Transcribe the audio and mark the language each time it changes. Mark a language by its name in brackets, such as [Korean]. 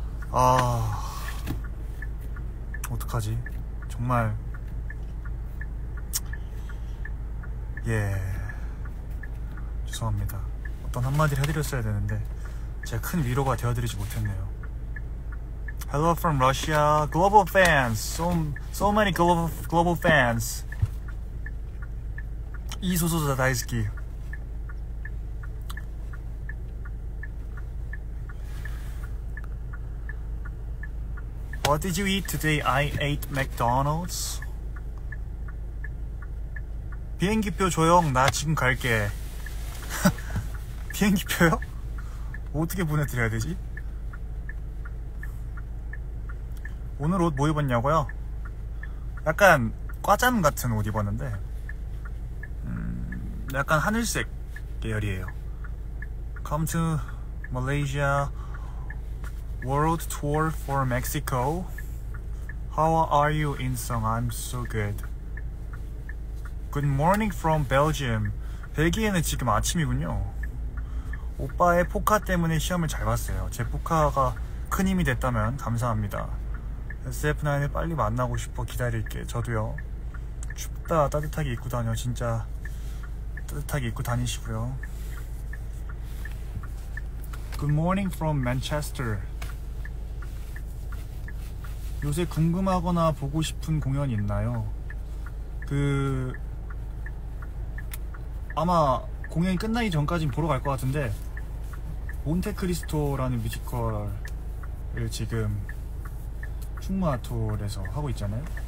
[Korean] 아 어떡하지 정말. 예 죄송합니다. 어떤 한마디를 해드렸어야 되는데 제가 큰 위로가 되어드리지 못했네요. [English] Hello from Russia, global fans, so many global fans. 이소소다 다이스키. What did you eat today? I ate McDonald's. [Korean] 비행기표 조용, 나 지금 갈게. 비행기표요? 어떻게 보내드려야 되지? 오늘 옷 뭐 입었냐고요? 약간 꽈잠 같은 옷 입었는데 약간 하늘색 계열이에요. [English] Come to Malaysia World Tour for Mexico. How are you, Insung? I'm so good. Good morning from Belgium. [Korean] 벨기에는 지금 아침이군요. 오빠의 포카 때문에 시험을 잘 봤어요. 제 포카가 큰 힘이 됐다면 감사합니다. SF9을 빨리 만나고 싶어 기다릴게. 저도요. 춥다 따뜻하게 입고 다녀. 진짜 따뜻하게 입고 다니시고요. [English] Good morning from Manchester. [Korean] 요새 궁금하거나 보고 싶은 공연 있나요? 아마 공연이 끝나기 전까지는 보러 갈 것 같은데 몬테크리스토라는 뮤지컬을 지금 충마톨에서 하고 있잖아요.